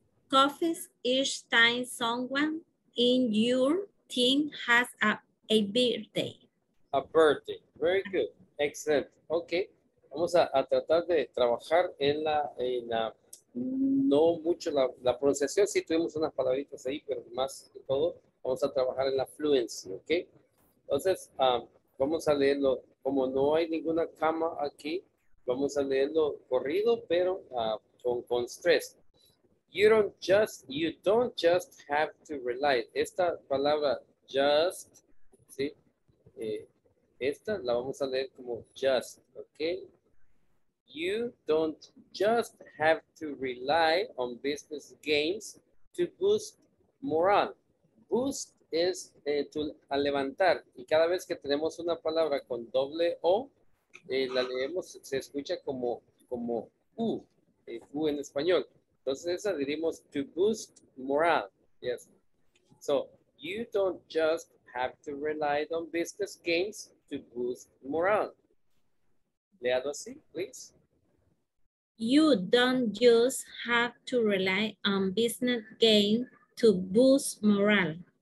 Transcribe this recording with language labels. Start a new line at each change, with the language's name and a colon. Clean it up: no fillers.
English: coffees each time someone in your team has a birthday. Very good. Excellent.
Spanish: Okay, vamos a tratar de trabajar en la no mucho la pronunciación, sí tuvimos unas palabritas ahí, pero más que todo vamos a trabajar en la fluency, ¿ok? Entonces, vamos a leerlo, como no hay ninguna coma aquí, vamos a leerlo corrido, pero con stress.
English: You don't just have to rely.
Spanish: Esta palabra just, ¿sí? Esta la vamos a leer como just, ¿ok?
English: You don't just have to rely on business gains to boost morale.
Spanish: Boost es a levantar. Y cada vez que tenemos una palabra con doble O, la leemos, se escucha como U, U en español. Entonces, esa diríamos
English: to boost morale. Yes. So, you don't just have to rely on business gains to boost morale.
Spanish: Leado así, please.
English: You don't just have to rely on business gain to boost morale.